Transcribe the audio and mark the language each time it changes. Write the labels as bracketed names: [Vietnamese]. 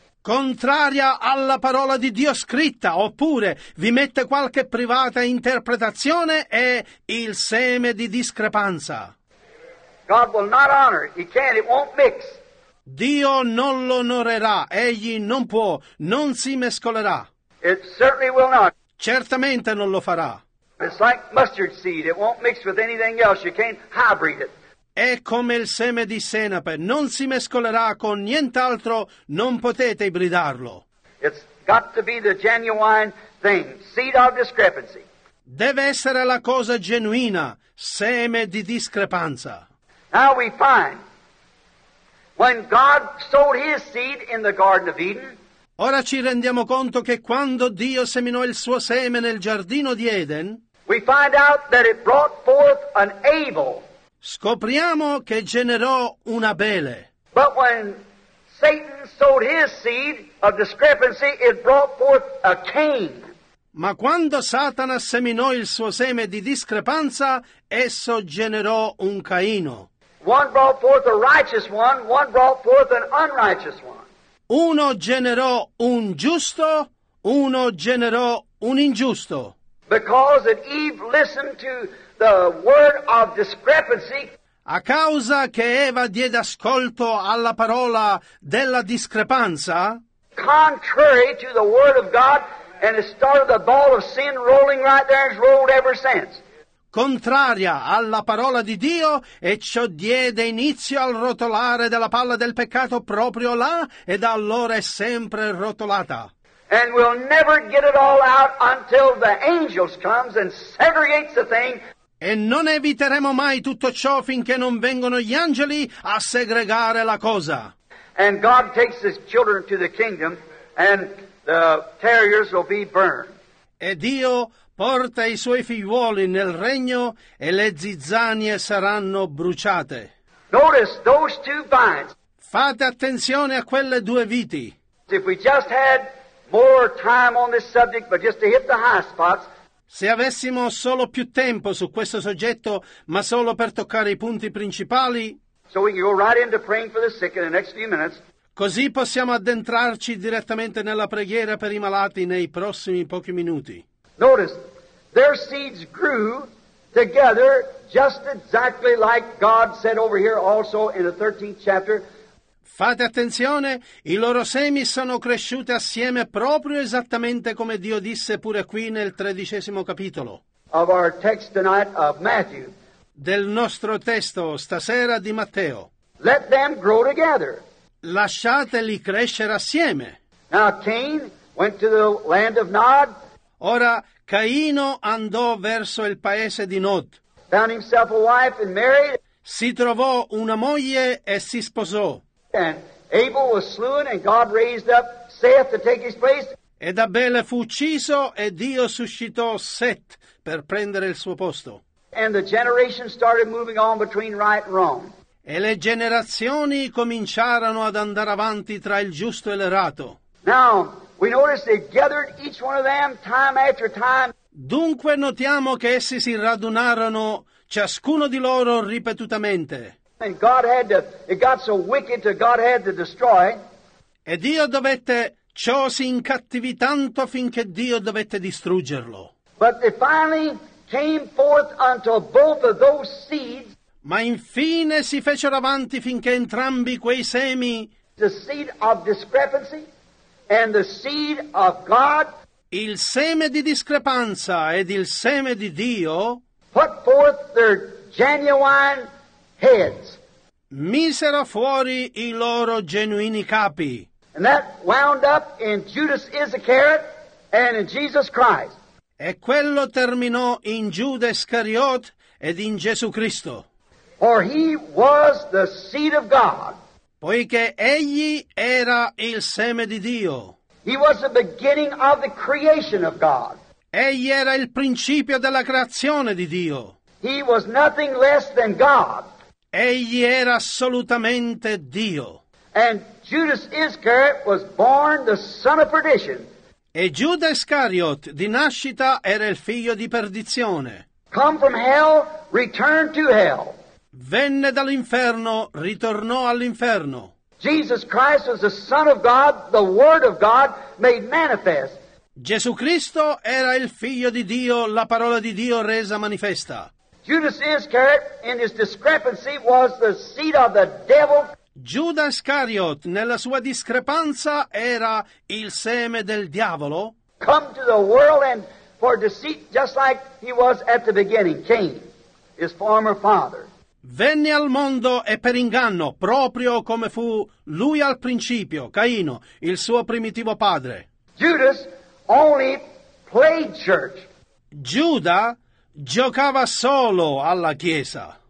[Italian] Contraria alla parola di Dio scritta, oppure vi mette qualche privata interpretazione, è il seme di discrepanza. [English] God will not honor it. He can't. It won't mix. [Italian] Dio non l'onorerà. Egli non può. Non si mescolerà. [English] It certainly will not. [Italian] Certamente non lo farà. [English] It's like mustard seed. It won't mix with anything else. You can't hybrid it. [Italian] È come il seme di senape. Non si mescolerà con nient'altro. Non potete ibridarlo. [English] It's got to be the genuine thing. Seed of discrepancy. [Italian] Deve essere la cosa genuina. Seme di discrepanza. [English] Now we find when God sowed his seed in the Garden of Eden. [Italian] Ora ci rendiamo conto che quando Dio seminò il suo seme nel giardino di Eden, [English] we find out that it brought forth an Abel. [Italian] Scopriamo che generò un Abele. [English] But when Satan sowed his seed of discrepancy, it brought forth a Cain. [Italian] Ma quando Satana seminò il suo seme di discrepanza, esso generò un Caino. [English] One brought forth a righteous one, one brought forth an unrighteous one. [Italian] Uno generò un giusto, uno generò un ingiusto. [English] Because that Eve listened to the word of discrepancy. [Italian] A causa che Eva diede ascolto alla parola della discrepanza. [English] Contrary to the word of God, and it started the ball of sin rolling right there and has rolled ever since. [Italian] Contraria alla parola di Dio, e ciò diede inizio al rotolare della palla del peccato proprio là, e da allora è sempre rotolata. [English] And we'll never get it all out until the angels comes and segregates the thing. [Italian] E non eviteremo mai tutto ciò finché non vengono gli angeli a segregare la cosa. [English] And God takes his children to the kingdom, and the terriers will be burned. [Italian] E Dio porta i suoi figliuoli nel regno e le zizzanie saranno bruciate. [English] Notice those two vines. [Italian] Fate attenzione a quelle due viti. [English] If we just had more time on this subject, but just to hit the high spots. [Italian] Se avessimo solo più tempo su questo soggetto, ma solo per toccare i punti principali. [English] So we can go right into praying for the sick in the next few minutes. [Italian] Così possiamo addentrarci direttamente nella preghiera per i malati nei prossimi pochi minuti. [English] Notice, their seeds grew together just exactly like God said over here also in the 13th chapter. [Italian] Fate attenzione, i loro semi sono cresciuti assieme proprio esattamente come Dio disse pure qui nel 13° capitolo. [English] Of our text tonight of Matthew. [Italian] Del nostro testo stasera di Matteo. [English] Let them grow together. [Italian] Lasciateli crescere assieme. [English] Now Cain went to the land of Nod. [Italian] Ora Caino andò verso il paese di Nod. [English] Found himself a wife and married. [Italian] Si trovò una moglie e si sposò. [English] And Abel was slain and God raised up Seth to take his place. [Italian] Ed Abele fu ucciso e Dio suscitò Seth per prendere il suo posto. [English] And the generation started moving on between right and wrong. [Italian] E le generazioni cominciarono ad andare avanti tra il giusto e l'errato. [English] Now, we notice they gathered each one of them time after time. [Italian] Dunque notiamo che essi si radunarono ciascuno di loro ripetutamente. [English] And God had to, it got so wicked that God had to destroy. [Italian] E Dio dovette, ciò si incattivì tanto finché Dio dovette distruggerlo. [English] But it finally came forth unto both of those seeds. [Italian] Ma infine si fecero avanti finché entrambi quei semi, [English] the seed of discrepancy and the seed of God, [Italian] il seme di discrepanza ed il seme di Dio, [English] put forth their genuine heads, [Italian] misero fuori i loro genuini capi, [English] and that wound up in Judas Iscariot and in Jesus Christ. [Italian] E quello terminò in Giuda Iscariot ed in Gesù Cristo. [English] For he was the seed of God. [Italian] Poiché egli era il seme di Dio. [English] He was the beginning of the creation of God. [Italian] Egli era il principio della creazione di Dio. [English] He was nothing less than God. [Italian] Egli era assolutamente Dio. [English] And Judas Iscariot was born the son of perdition. [Italian] E Giuda Iscariot, di nascita, era il figlio di perdizione. [English] Come from hell, return to hell. [Italian] Venne dall'inferno, ritornò all'inferno. [English] Jesus Christ was the Son of God, the Word of God made manifest. [Italian] Gesù Cristo era il figlio di Dio, la parola di Dio resa manifesta. [English] Judas Iscariot, in his discrepancy, was the seed of the devil. [Italian] Giuda Iscariot, nella sua discrepanza, era il seme del diavolo. [English] Come to the world and for deceit, just like he was at the beginning, Cain, his former father. [Italian] Venne al mondo e per inganno, proprio come fu lui al principio, Caino, il suo primitivo padre. [English] Judas only played church. [Italian] Giuda giocava solo alla chiesa.